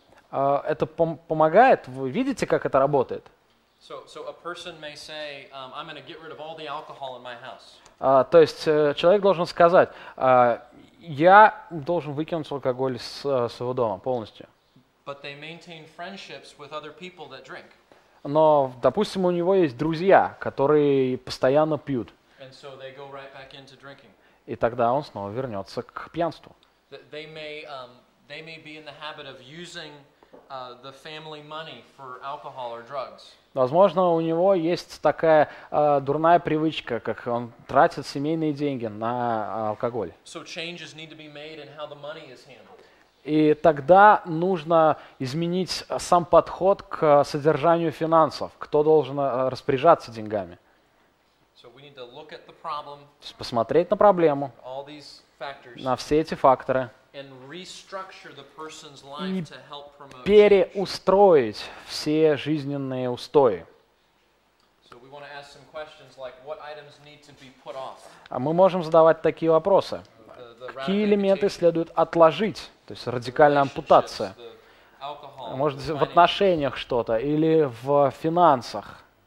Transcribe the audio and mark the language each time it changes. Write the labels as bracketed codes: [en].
[ru] Это помогает? Вы видите, как это работает? То есть человек должен сказать, я должен выкинуть алкоголь из своего дома полностью. [en] But they maintain friendships with other people that drink. [ru] Но, допустим, у него есть друзья, которые постоянно пьют. [en] And so they go right back into drinking. [ru] И тогда он снова вернется к пьянству. [en] They may be in the habit of using the family money for alcohol or drugs. [ru] Возможно, у него есть такая дурная привычка, как он тратит семейные деньги на алкоголь. [en] So changes need to be made in how the money is handled. [ru] И тогда нужно изменить сам подход к содержанию финансов, кто должен распоряжаться деньгами. [en] So we need to look at the problem, [ru] то есть посмотреть на проблему, [en] all these factors, [ru] на все эти факторы, [en] and restructure the person's life [ru] и [en] to help promote change. [ru] Переустроить все жизненные устои. [en] So we want to ask some questions like what items need to be put off. [ru] А мы можем задавать такие вопросы. Какие элементы следует отложить? То есть радикальная ампутация. Может, в отношениях что-то или в финансах.